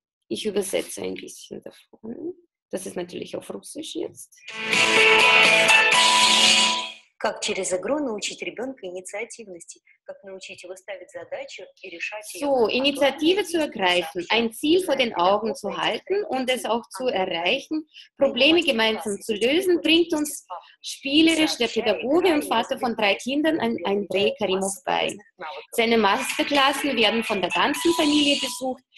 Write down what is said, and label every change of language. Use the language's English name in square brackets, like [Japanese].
[German] Ich übersetze ein bisschen davon. Das ist natürlich auf Russisch jetzt. [Russian] Как через игру научить ребенка инициативности, как научить его ставить задачу и решать её. [German] So, Initiative zu ergreifen, ein Ziel vor den Augen zu halten und es auch zu erreichen, Probleme gemeinsam zu lösen, bringt uns spielerisch der Pädagoge und Vater von 3 Kindern Andrei Karimov bei. Seine Masterklassen werden von der ganzen Familie besucht.